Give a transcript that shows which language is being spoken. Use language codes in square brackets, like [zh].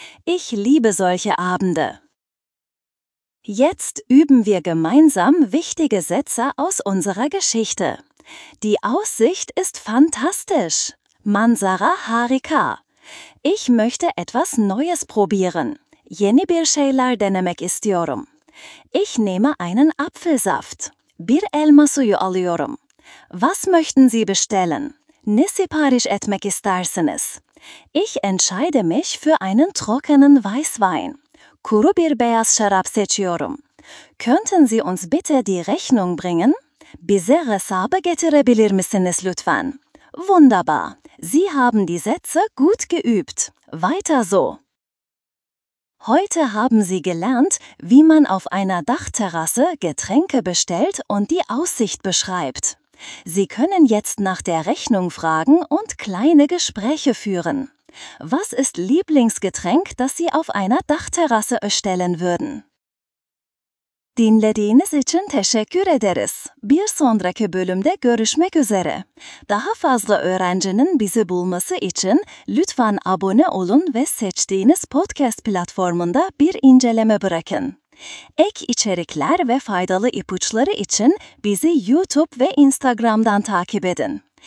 [de] Ich liebe solche Abende. Jetzt üben wir gemeinsam wichtige Sätze aus unserer Geschichte. Die Aussicht ist fantastisch. [tr] Manzara harika. [de] Ich möchte etwas Neues probieren. [tr] Yeni bir şeyler denemek istiyorum. [de] Ich nehme einen Apfelsaft. [tr] Bir elma suyu alıyorum. [de] Was möchten Sie bestellen? [tr] Ne sipariş etmek istersiniz? [de] Ich entscheide mich für einen trockenen Weißwein. [tr] Kuru bir beyaz şarap seçiyorum. [de] Könnten Sie uns bitte die Rechnung bringen? [tr] Bize hesabı getirebilir misiniz lütfen? [de] Wunderbar. Sie haben die Sätze gut geübt. Weiter so. Heute haben Sie gelernt, wie man auf einer Dachterrasse Getränke bestellt und die Aussicht beschreibt. Sie können jetzt nach der Rechnung fragen und kleine Gespräche führen. Was ist Lieblingsgetränk, das Sie auf einer Dachterrasse erstellen würden? [tr] Dinlediğiniz için teşekkür ederiz. Bir sonraki bölümde görüşmek üzere. Daha fazla öğrencinin bizi bulması için lütfen abone olun ve seçtiğiniz podcast platformunda bir inceleme bırakın. Ek içerikler ve faydalı ipuçları için bizi YouTube ve Instagram'dan takip edin.